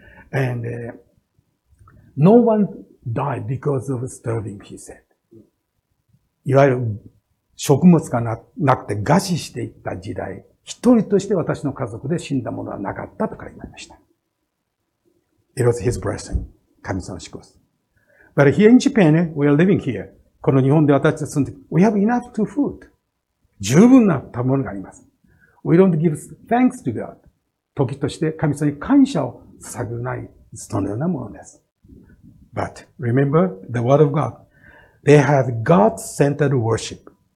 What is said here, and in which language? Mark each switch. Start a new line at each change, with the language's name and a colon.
English: And, no one died because of starving, he said.
Japanese: いわゆる食物がなくて餓死していった時代、一人として私の家族で死んだものはなかったと書いてありました。
English: It was his blessing.
Japanese: 神様の祝福。
English: But here in Japan, we are living here.
Japanese: この日本で私は住んで、
English: we have enough to food.
Japanese: 十分な食べ物があります。
English: We don't give thanks to God.
Japanese: 時として神様に感謝を捧げない、そのようなものです。
English: But remember the word of God. They have God-centered worship.